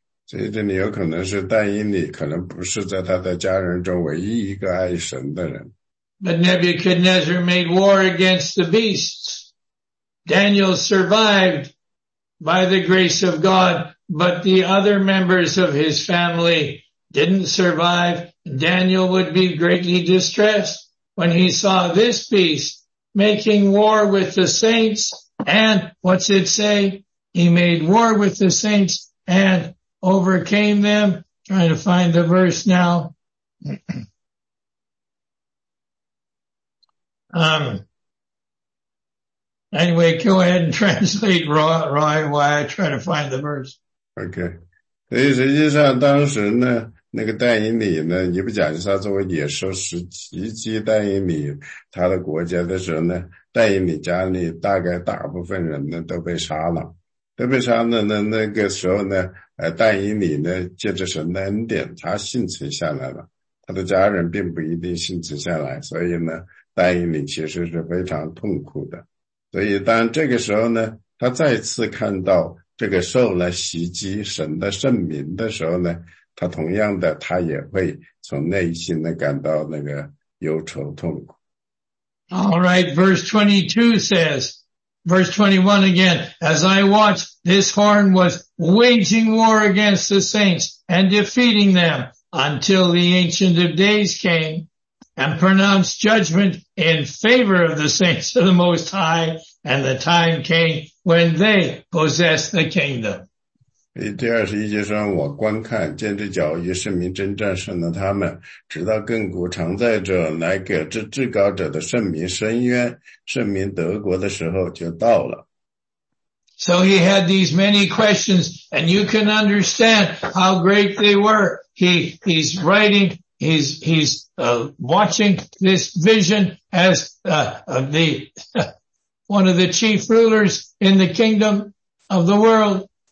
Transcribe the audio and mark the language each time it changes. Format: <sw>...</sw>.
<zh>所以这里有可能是但以理可能不是在他的家人中唯一一个爱神的人。</zh> <en>But Nebuchadnezzar made war against the beasts. Daniel survived by the grace of God, but the other members of his family didn't survive. Daniel would be greatly distressed when he saw this beast making war with the saints. And what's it say? He made war with the saints and overcame them. Trying to find the verse now. Anyway, go ahead and translate Roy, why I try to find the verse. Okay.</en> <zh>所以实际上当时呢，那个但以理呢，尼布甲尼撒作为野兽袭击但以理他的国家的时候呢，但以理家里大概大部分人呢都被杀了。都被杀了呢，那个时候呢，但以理呢借着神的恩典他幸存下来了。他的家人并不一定幸存下来，所以呢，但以理其实是非常痛苦的。所以当这个时候呢，他再次看到这个兽呢袭击神的圣民的时候呢，他同样的他也会从内心的感到那个忧愁痛苦。</zh> <en>All right, verse 22 says, verse 21 again, as I watched, this horn was waging war against the saints and defeating them until the Ancient of Days came. And pronounced judgment in favor of the saints of the Most High, and the time came when they possessed the kingdom.</en> <zh>第二十一节说，我观看，见这角与圣民征战，胜了他们，直到亘古常在者来给这至高者的圣民伸冤，圣民德国的时候就到了。</zh> <en>So he had these many questions, and you can understand how great they were. He's writing. watching this vision as one of the chief rulers in the kingdom of the world.</en>